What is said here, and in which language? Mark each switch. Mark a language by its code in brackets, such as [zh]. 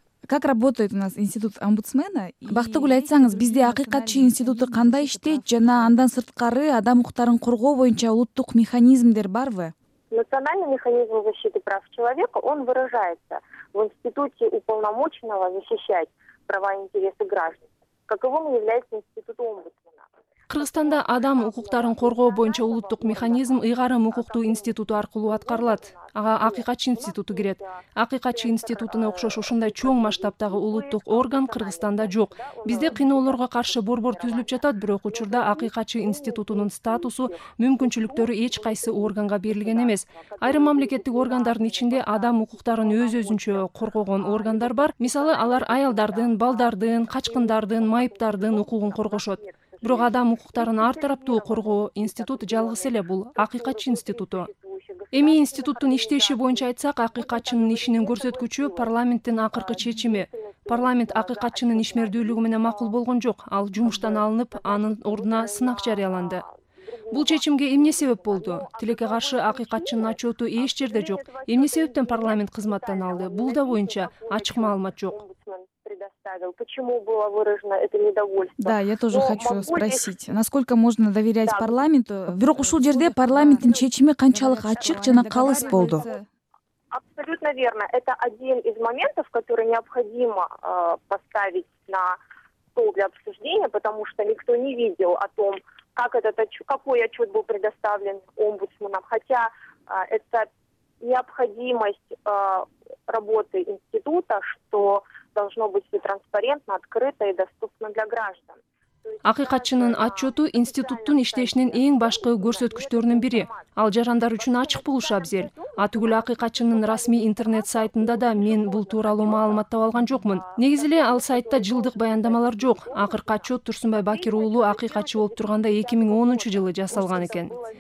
[ru] Как работает у нас институт омбудсмена? [ky] Бактыгүл айтсаңыз, бизде акыйкатчы институту кандай иштейт жана андан сырткары адам укуктарын коргоо боюнча улуттук механизмдер барбы? [ru] Национальный механизм защиты прав человека, он выражается в институте уполномоченного защищать права и интересы граждан, каковым является институт омбудсмена. [ky] Кыргызстанда адам укуктарын коргоо боюнча улуттук механизм ыйгарым укуктуу институту аркылуу аткарылат. Ага акыйкатчы институту кирет. Акыйкатчы институтуна окшош ушундай чоң масштабтагы улуттук орган Кыргызстанда жок. Бизде кыйноолорго каршы борбор түзүлүп жатат, бирок учурда акыйкатчы институтунун статусу, мүмкүнчүлүктөрү эч кайсы органга берилген эмес. Айрым мамлекеттик органдардын ичинде адам укуктарын өз-өзүнчө коргогон органдар бар. Мисалы, алар аялдардын, балдардын, качкындардын, майыптардын укугун коргошот. Бирок адам укуктарын ар тараптуу коргоо институту жалгыз эле бул акыйкатчы институту. Эми институттун иштеши боюнча айтсак, акыйкатчынын ишинин көрсөткүчү парламенттин акыркы чечими. Парламент акыйкатчынын ишмердүүлүгү менен макул болгон жок, ал жумуштан алынып, анын ордуна сынак жарыяланды. Бул чечимге эмне себеп болду? Тилекке каршы акыйкатчынын отчёту эч жерде жок. Эмне себептен парламент кызматтан алды? Бул да боюнча ачык маалымат жок. [ru] Почему было выражено это недовольство? Да, я тоже хочу спросить, насколько можно доверять парламенту? [ky] Бирок ушул жерде парламенттин чечими канчалык ачык жана калыс болду? [ru] Абсолютно верно. Это один из моментов, который необходимо поставить на стол для обсуждения, потому что никто не видел о том, как этот отчет, какой отчет был предоставлен омбудсменам. Хотя это необходимость работы института, что должно быть все транспарентно, открыто и доступно для граждан. [ky] Акыйкатчынын отчету институттун иштешинин эң башкы көрсөткүчтөрүнүн бири. Ал жарандар үчүн ачык болушу абзел. Атүгүл акыйкатчынын расмий интернет сайтында да мен бул тууралуу маалымат таап алган жокмун. Негизи эле ал сайтта жылдык баяндамалар жок. Акыркы отчет Турсунбай Бакир уулу акыйкатчы болуп турганда 2010 жылы жасалган экен.